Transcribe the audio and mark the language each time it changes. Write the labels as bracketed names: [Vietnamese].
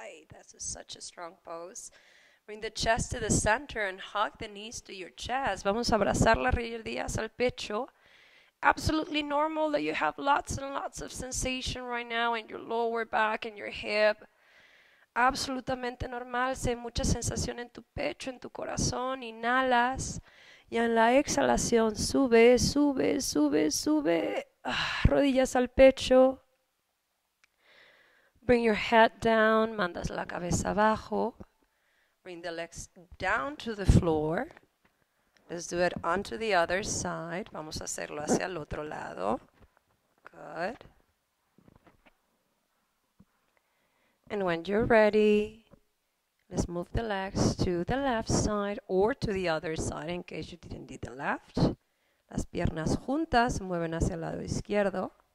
[English] That's such a strong pose. Bring the chest to the center and hug the knees to your chest. [Spanish] Vamos a abrazar las rodillas al pecho. [English] Absolutely normal that you have lots and lots of sensation right now in your lower back and your hip. [Spanish] Absolutamente normal. Se mucha sensación en tu pecho, en tu corazón. Inhalas. Y en la exhalación, sube, sube, sube, sube, rodillas al pecho. [English] Bring your head down, [Spanish] mandas la cabeza abajo. [English] Bring the legs down to the floor. Let's do it onto the other side. [Spanish] Vamos a hacerlo hacia el otro lado. [English] Good. And when you're ready, let's move the legs to the left side or to the other side in case you didn't do the left. [Spanish] Las piernas juntas mueven hacia el lado izquierdo.